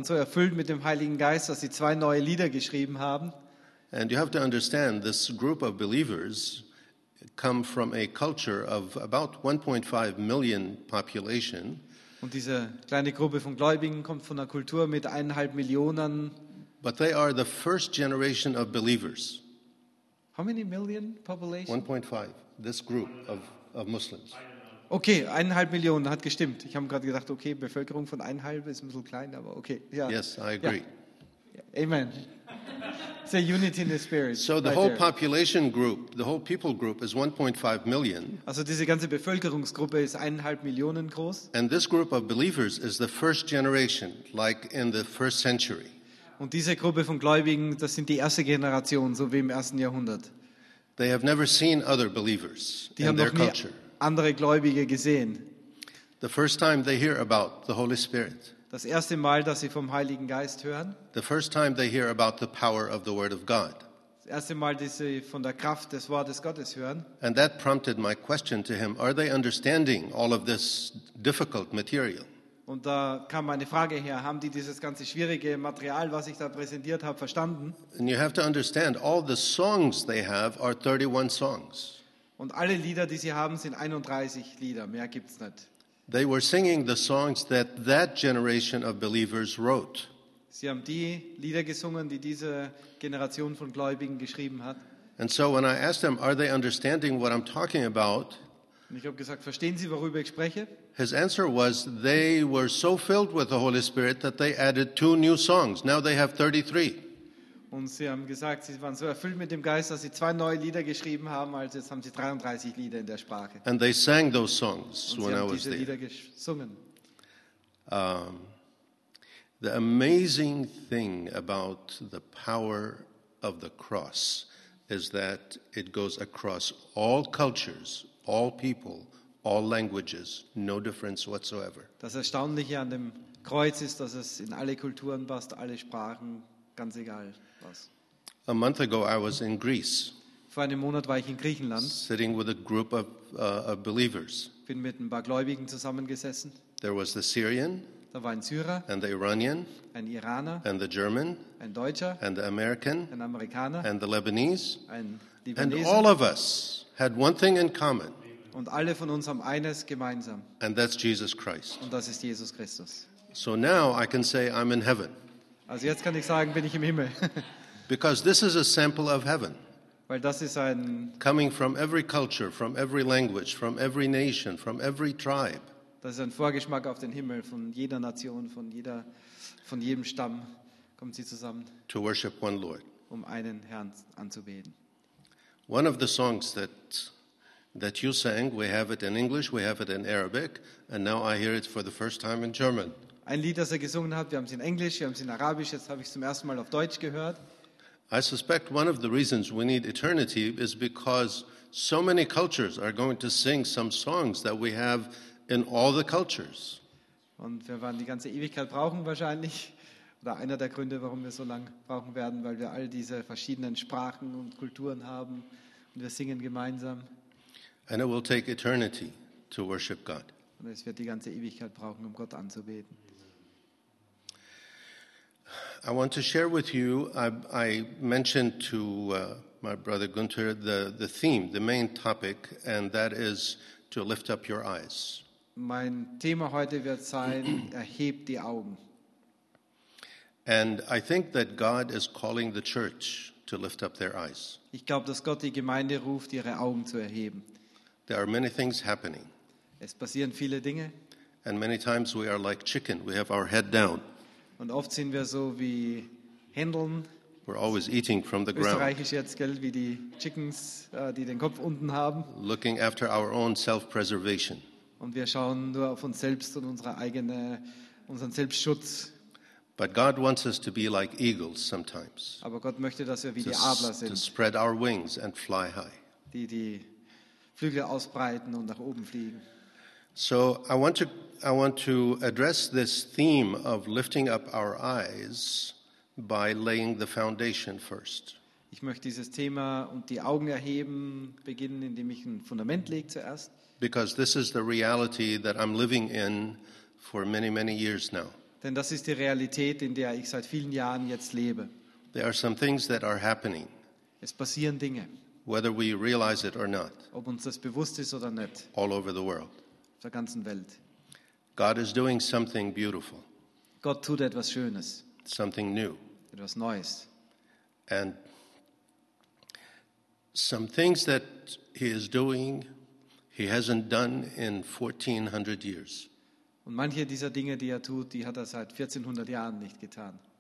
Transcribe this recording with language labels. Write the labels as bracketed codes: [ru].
[de] so erfüllt mit dem Heiligen Geist, dass sie zwei neue Lieder geschrieben haben. [en] And you have to understand, this group of believers come from a culture of about 1.5 million population. [de] Und diese kleine Gruppe von Gläubigen kommt von einer Kultur mit 1,5 Millionen. [en] But they are the first generation of believers. How many million population? 1.5, this group of Muslims. [de] Okay, 1,5 Millionen, hat gestimmt. Ich habe gerade gedacht, okay, Bevölkerung von 1,5 ist ein bisschen klein, aber okay. [en] Yeah. Yes, I agree. Yeah. Amen. It's a unity in the spirit. So the whole population group, the whole people group is 1.5 million. [de] Also diese ganze Bevölkerungsgruppe ist 1,5 Millionen groß. [en] And this group of believers is the first generation, like in the first century. [de] Und diese Gruppe von Gläubigen, das sind die erste Generation, so wie im ersten Jahrhundert. [en] They have never seen other believers in their culture. [de] Die haben noch nie andere Gläubige gesehen. [en] The first time they hear about the Holy Spirit. [de] Das erste Mal, dass sie vom Heiligen Geist hören. [en] The first time they hear about the power of the Word of God. [de] Das erste Mal, dass sie von der Kraft des Wortes Gottes hören. [en] And that prompted my question to him, are they understanding all of this difficult material? [de] Und da kam meine Frage her, haben die dieses ganze schwierige Material, was ich da präsentiert habe, verstanden? [en] And you have to understand, all the songs they have are 31 songs. [de] Und alle Lieder, die sie haben, sind 31 Lieder, mehr gibt's nicht. [en] They were singing the songs that that generation of believers wrote. [de] Sie haben die Lieder gesungen, die diese Generation von Gläubigen geschrieben hat. [en] And so when I asked them, are they understanding what I'm talking about? [de] Und ich habe gesagt, verstehen Sie, worüber ich spreche? [en] His answer was, they were so filled with the Holy Spirit that they added 2 new songs. Now they have 33. [de] Und sie haben gesagt, sie waren so erfüllt mit dem Geist, dass sie 2 neue Lieder geschrieben haben, also jetzt haben sie 33 Lieder in der Sprache. [en] And they sang those songs when I was there. [de] Und sie haben diese Lieder gesungen. [en] The amazing thing about the power of the cross is that it goes across all cultures, all people, all languages, no difference whatsoever. [de] Das Erstaunliche an dem Kreuz ist, dass es in alle Kulturen passt, alle Sprachen, ganz egal was. [en] A month ago I was in Greece. [de] Vor einem Monat war ich in Griechenland. [en] Sitting with a group of believers. [de] Bin mit ein paar Gläubigen zusammengesessen. [en] There was the Syrian. [de] Da war ein Syrer. [en] And the Iranian. [de] Ein Iraner. [en] And the German. [de] Ein Deutscher. [en] And the American. [de] Ein Amerikaner. [en] And the Lebanese. [de] Ein Libanese. [en] And all of us had one thing in common. [de] Und alle von uns haben eines gemeinsam. [en] And that's Jesus Christ. [de] Und das ist Jesus Christus. [en] So now I can say I'm in heaven. [de] Also jetzt kann ich sagen, bin ich im Himmel. [en] Because this is a sample of heaven. [de] Weil das ist ein [en] coming from every culture, from every language, from every nation, from every tribe. [de] Das ist ein Vorgeschmack auf den Himmel von jeder Nation, von jedem Stamm kommen sie zusammen. [en] To worship one Lord. [de] Um einen Herrn anzubeten. [en] One of the songs that you sang, we have it in English, we have it in Arabic, and now I hear it for the first time in German. [de] Ein Lied, das er gesungen hat, wir haben es in Englisch, wir haben es in Arabisch, jetzt habe ich es zum ersten Mal auf Deutsch gehört. [en] I suspect one of the reasons we need eternity is because so many cultures are going to sing some songs that we have in all the cultures. [de] Und wir werden die ganze Ewigkeit brauchen wahrscheinlich, oder einer der Gründe, warum wir so lange brauchen werden, weil wir all diese verschiedenen Sprachen und Kulturen haben und wir singen gemeinsam. [en] And it will take eternity to worship God. [de] Und es wird die ganze Ewigkeit brauchen, um Gott anzubeten. [en] I want to share with you, I mentioned to my brother Gunther the theme, the main topic, and that is to lift up your eyes. [de] Mein Thema heute wird sein, erhebt die Augen. [en] And I think that God is calling the church to lift up their eyes. [de] Ich glaube, dass Gott die Gemeinde ruft, ihre Augen zu erheben. [en] There are many things happening. [de] Es passieren viele Dinge. [en] And many times we are like chicken. We have our head down. [de] Und oft sind wir so wie Händeln. [en] We're always eating from the ground. [de] Österreichisch jetzt, gell, wie die Chickens, die den Kopf unten haben. [en] Looking after our own self-preservation. [de] Und wir schauen nur auf uns selbst und unseren Selbstschutz. [en] But God wants us to be like eagles sometimes. [de] Aber Gott möchte, dass wir wie die Adler sind. [en] To spread our wings and fly high. [de] Die Flügel ausbreiten und nach oben fliegen. [en] So I want to address this theme of lifting up our eyes by laying the foundation first. [de] Ich möchte dieses Thema und die Augen erheben beginnen, indem ich ein Fundament lege zuerst. [en] Because this is the reality that I'm living in for many, many years now. [de] Denn das ist die Realität, in der ich seit vielen Jahren jetzt lebe. [en] There are some things that are happening. [de] Es passieren Dinge. [en] Whether we realize it or not. [de] Ob uns das bewusst ist oder nicht. [en] All over the world. [de] Auf der ganzen Welt. [en] God is doing something beautiful. [de] Gott tut etwas Schönes. [en] Something new. [de] Etwas Neues. [en] And some things that he is doing, he hasn't done in 1400 years. [de] Und manche dieser Dinge, die er tut, die hat er seit 1400 Jahren nicht getan.